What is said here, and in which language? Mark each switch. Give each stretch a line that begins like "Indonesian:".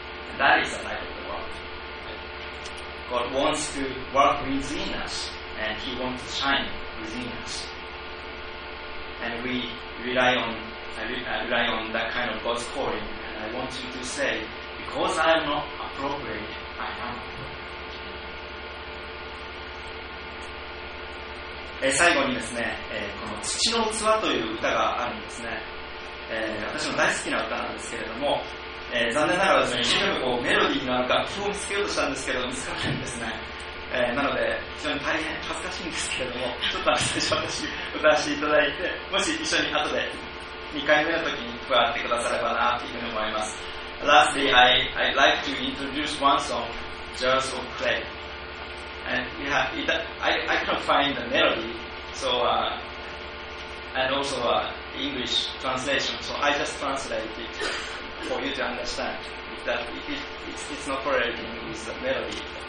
English: And that is the light of the world. God wants to work within us, and He wants to shine within us. And we rely on that kind of God's calling. And I want you to say, because I am not appropriate, I am.
Japanese: 最後にですね、この土の器という歌があるんですね。私の大好きな歌なんですけれども、残念ながらですね、一生懸命こうメロディーのある楽譜を見つけようとしたんですけど見つからないんですね。なので非常に大変恥ずかしいんですけれども、ちょっと最初私歌わせていただいて、もし一緒に後で2回目の時に加わってくださればなというふうに思います。
English: Lastly, I'd like to introduce one song, Jars of Clay. And I couldn't find the melody, and also English translation, so I just translate it for you to understand that it's not correlating with the melody.